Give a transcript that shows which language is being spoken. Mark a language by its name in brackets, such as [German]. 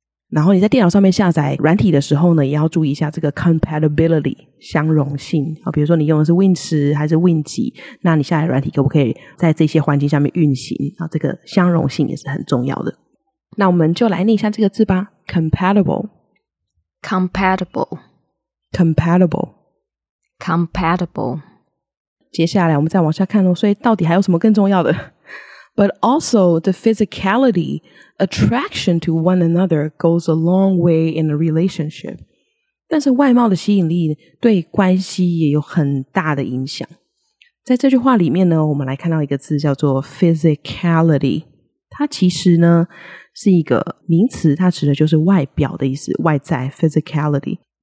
[Chinese] 然后你在电脑上面下载软体的时候呢，也要注意一下这个 compatibility 相容性，比如说你用的是 Win10 还是 Win 几，那你下载软体可不可以在这些环境下面运行，这个相容性也是很重要的。 [English] 那我们就来念一下这个字吧， compatible compatible compatible compatible。 [Chinese] 接下来我们再往下看咯，所以到底还有什么更重要的？ [English] But also the physicality, attraction to one another goes a long way in a relationship. [Chinese] 但是外貌的吸引力对关系也有很大的影响。在这句话里面呢，我们来看到一个字叫做 physicality。它其实呢是一个名词，它指的就是外表的意思，外在 physicality。